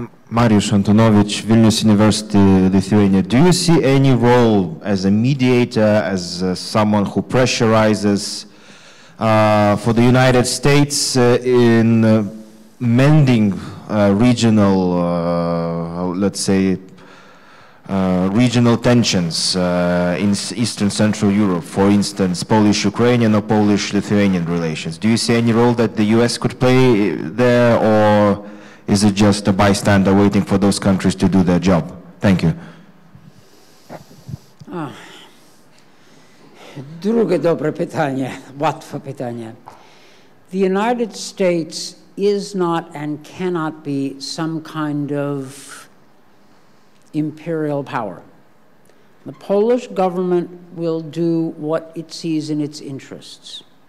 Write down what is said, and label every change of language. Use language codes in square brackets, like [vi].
[en] Mariusz Antonowicz, Vilnius University, Lithuania. Do you see any role as a mediator, as someone who pressurizes for the United States in mending regional, let's say, regional tensions in Eastern Central Europe, for instance, Polish-Ukrainian or Polish-Lithuanian relations? Do you see any role that the U.S. could play there, or is it just a bystander waiting for those countries to do their job? Thank you. [pl] Drugie dobre pytanie, łatwe pytanie. [en] The United States is not and cannot be some kind of imperial power. The Polish government will do what it sees in its interests.